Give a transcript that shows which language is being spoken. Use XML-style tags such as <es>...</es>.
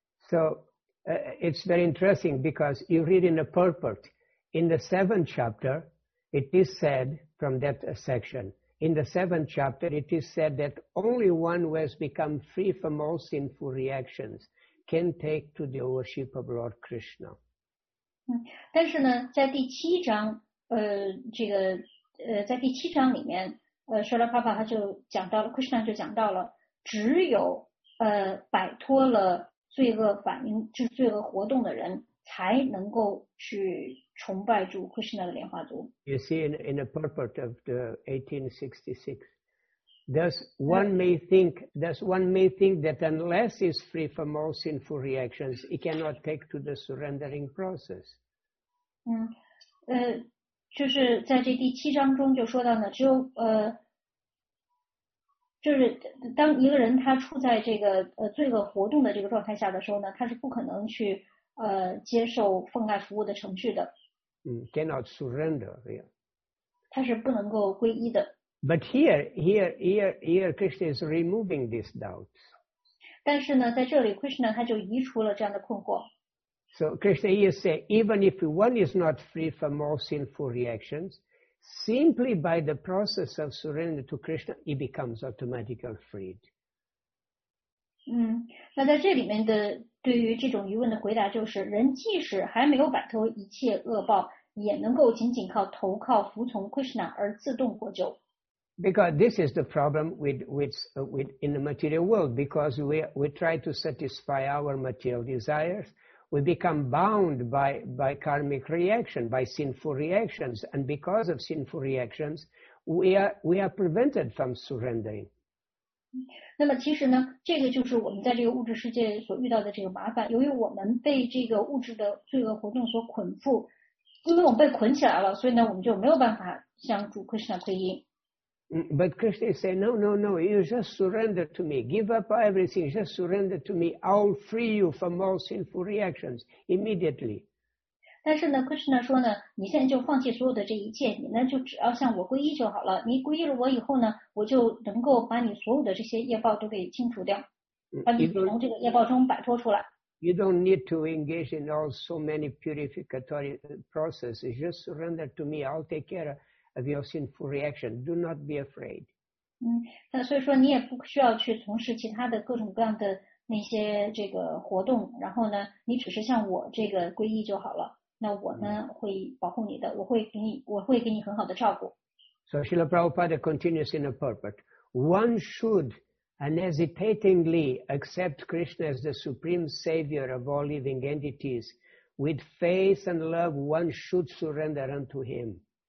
<en>So it's very interesting because you read in the purport, in the seventh chapter, it is said from that section, in the seventh chapter, it is said that only one who has become free from all sinful reactions can take to the worship of Lord Krishna.</en> <zh>但是呢，在第七章，在第七章里面。说了爸爸他就讲到了 Krishna 就讲到了只有摆脱了罪恶反应就是罪恶活动的人才能够去崇拜主 Krishna 的莲花族。</zh> <en>You see in the purport of the 1866, thus one may think that unless he's free from all sinful reactions, he cannot take to the surrendering process.</en> <zh>就是在这第七章中就说到呢，只有就是当一个人他处在这个罪恶活动的这个状态下的时候呢，他是不可能去接受奉爱服务的程序的。</zh> <en>Cannot surrender, yeah.</en> <zh>他是不能够皈依的。</zh> <en>But here, Krishna is removing these doubts.</en> <zh>但是呢，在这里 Krishna 他就移除了这样的困惑。</zh> <en>So Krishna here says, even if one is not free from all sinful reactions, simply by the process of surrender to Krishna, he becomes automatically freed.</en> <zh>那在这里面的对于这种疑问的回答就是，人即使还没有摆脱一切恶报，也能够仅仅靠投靠服从 Krishna 而自动获救。</zh> <en>Because this is the problem with in the material world, because we try to satisfy our material desires. We become bound by karmic reaction, by sinful reactions, and because of sinful reactions, we are prevented from surrendering.</en> <zh>那么其实呢，这个就是我们在这个物质世界所遇到的这个麻烦。由于我们被这个物质的罪恶活动所捆缚，因为我们被捆起来了，所以呢，我们就没有办法向主 Krishna 皈依。</zh> <en>But Krishna say, no, you just surrender to me. Give up everything, just surrender to me. I'll free you from all sinful reactions immediately.</en> <zh>但是呢 Krishna 说呢，你现在就放弃所有的这一切，你呢就只要向我皈依就好了。你皈依了我以后呢，我就能够把你所有的这些业报都给清除掉，把你从这个业报中摆脱出来。</zh> <en>You don't need to engage in all so many purificatory processes. Just surrender to me. I'll take care of your sinful reaction. Do not be afraid.</en> <zh>那所以说你也不需要去从事其他的各种各样的那些这个活动，然后呢，你只是向我这个皈依就好了。那我呢，会保护你的，我会给你很好的照顾。</zh> <en>So Srila Prabhupada continues in a purport. One should unhesitatingly accept Krishna as the supreme savior of all living entities. With faith and love, one should surrender unto him.</en>